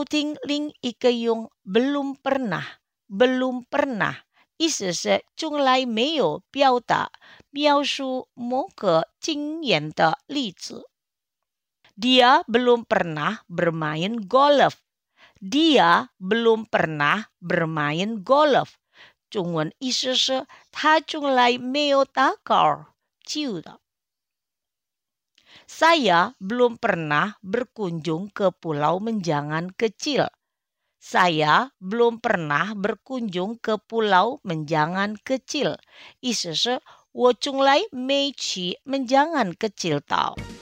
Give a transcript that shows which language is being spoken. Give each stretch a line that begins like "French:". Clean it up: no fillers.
Chinese: 请收听另一个用
Indonesian: belum pernah, belum pernah,
Chinese: 意思是从来没有表达描述某个经验的例子。
Indonesian: Dia belum pernah bermain golf. Dia belum pernah bermain golf.
Chinese: 中文意思是他从来没有打高尔夫球的。
Indonesian: Saya belum pernah berkunjung ke Pulau Menjangan Kecil. Saya belum pernah berkunjung ke Pulau Menjangan Kecil.
Chinese: 意思是我从来没去Menjangan Kecil到。